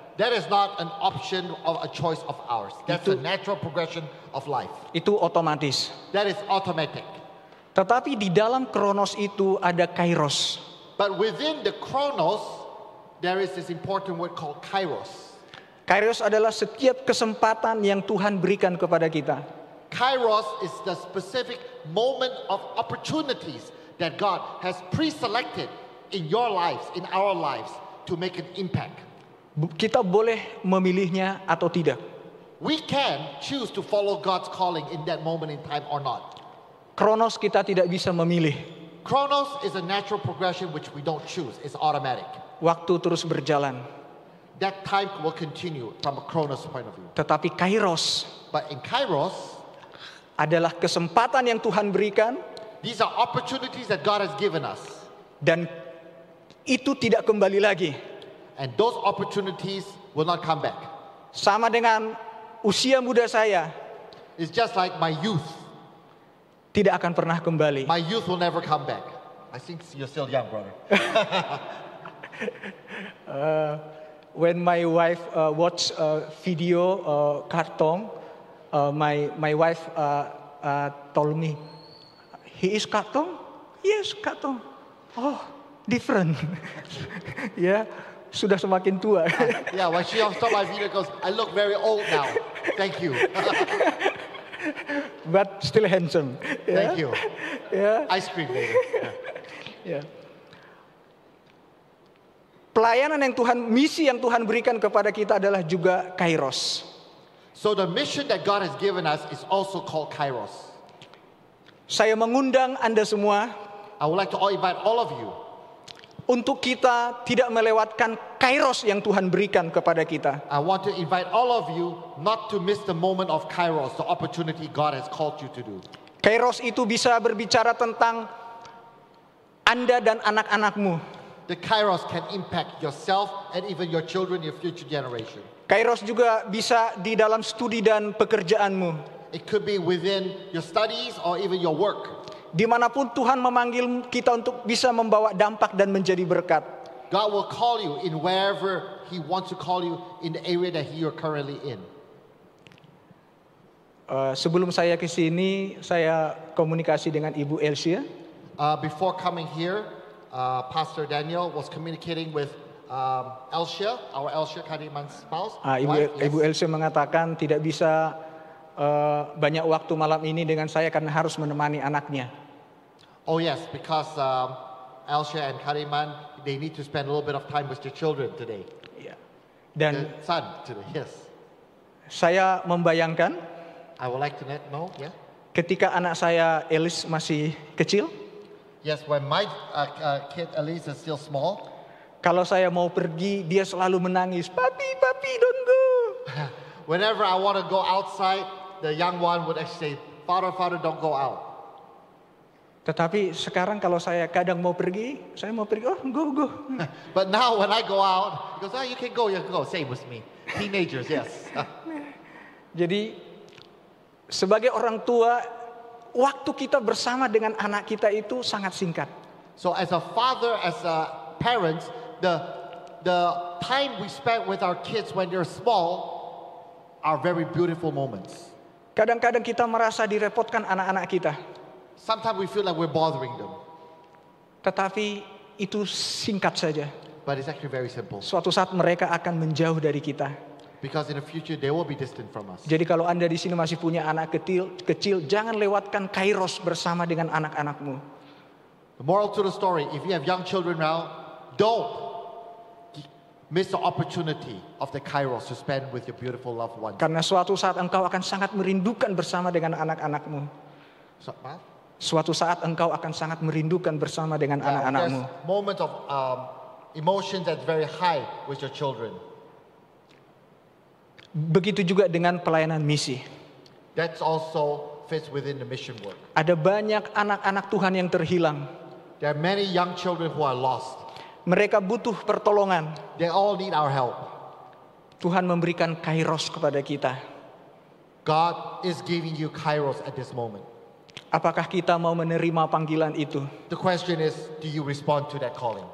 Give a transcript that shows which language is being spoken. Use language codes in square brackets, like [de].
[en] That is not an option of a choice of ours. That's a natural progression of life. [id] Itu otomatis. [en] That is automatic. [id] Tetapi di dalam Kronos itu ada Kairos. [en] But within the Kronos, there is this important word called Kairos. [id] Kairos adalah setiap kesempatan yang Tuhan berikan kepada kita. [en] Kairos is the specific moment of opportunities that God has pre-selected in your lives, in our lives, to make an impact. [id] Kita boleh memilihnya atau tidak. [en] We can choose to follow God's calling in that moment in time or not. [id] Kronos kita tidak bisa memilih. [en] Kronos is a natural progression which we don't choose. It's automatic. [id] Waktu terus berjalan. [en] That time will continue from a Kronos point of view. [id] Tetapi Kairos. [en] But in Kairos. [id] Adalah kesempatan yang Tuhan berikan. [en] These are opportunities that God has given us. [id] Dan itu tidak kembali lagi. [en] And those opportunities will not come back. [id] Sama dengan usia muda saya. [en] It's just like my youth. [id] Tidak akan pernah kembali. [en] My youth will never come back. I think you're still young, brother. When my wife watch a video cartoon, my wife told me, he is cartoon? Yes, cartoon. Oh, different. Yeah, sudah semakin tua. Yeah, when she stop my video, goes, I look very old now. Thank you. But still handsome. Yeah? Thank you. Yeah. Ice cream, baby. Yeah. [id] Pelayanan yang Tuhan, misi yang Tuhan berikan kepada kita adalah juga Kairos. [en] So the mission that God has given us is also called Kairos. [id] Saya mengundang Anda semua. [en] I would like to invite all of you. [id] Untuk kita tidak melewatkan Kairos yang Tuhan berikan kepada kita. [en] I want to invite all of you not to miss the moment of Kairos, the opportunity God has called you to do. [id] Kairos itu bisa berbicara tentang Anda dan anak-anakmu. [en] The Kairos can impact yourself and even your children, your future generation. [id] Kairos juga bisa di dalam studi dan pekerjaanmu. [en] It could be within your studies or even your work. [id] Dimanapun Tuhan memanggil kita untuk bisa membawa dampak dan menjadi berkat. [en] God will call you in wherever He wants to call you in the area that you are currently in. [id] Sebelum saya ke sini, saya komunikasi dengan Ibu Elsie. [en] Before coming here, Pastor Daniel was communicating with Elsie, our Elsie Kadiman's spouse. [id] Ibu Elsie mengatakan tidak bisa banyak waktu malam ini dengan saya karena harus menemani anaknya. [en] Oh yes, because Elsie and Kadiman, they need to spend a little bit of time with their children today. Yeah. Dan the son today. Yes. [id] Saya membayangkan. [en] I would like to let know. Yeah. [id] Ketika anak saya Elise masih kecil. [en] Yes, when my kid Elise is still small. [id] Kalau saya mau pergi, dia selalu menangis. [en] Papi, papi, don't go. Whenever I want to go outside, the young one would actually say, "Father, father, don't go out." [id] Tetapi sekarang kalau saya kadang mau pergi, saya mau pergi, oh, go, go. [en] But now when I go out, he goes, "Oh, you can go, you can go." Same with me. Teenagers, yes. [id] Jadi sebagai orang tua, waktu kita bersama dengan anak kita itu sangat singkat. [en] So as a father, as a parent, the time we spend with our kids when they're small are very beautiful moments. [id] Kadang-kadang kita merasa direpotkan anak-anak kita. [en] Sometimes we feel like we're bothering them. [id] Tetapi itu singkat saja. [en] But it's actually very simple. [id] Suatu saat mereka akan menjauh dari kita. [en] Because in the future they will be distant from us. [id] Jadi kalau Anda di sini masih punya anak kecil, jangan lewatkan Kairos bersama dengan anak-anakmu. [en] The moral to the story, if you have young children now, don't miss the opportunity of the Kairos to spend with your beautiful loved ones. [id] Karena suatu saat engkau akan sangat merindukan bersama dengan anak-anakmu. Suatu saat engkau akan sangat merindukan bersama dengan anak-anakmu. [en] There's moments of emotions that's very high with your children. [id] Begitu juga dengan pelayanan misi. [en] That's also fits within the mission work. [id] Ada banyak anak-anak Tuhan yang terhilang. [en] There are many young children who are lost. [id] Mereka butuh pertolongan. [en] They all need our help. [id] Tuhan memberikan Kairos kepada kita. [en] God is giving you Kairos at this moment. [id] Apakah kita mau menerima panggilan itu? [en] The question is, do you respond to that calling?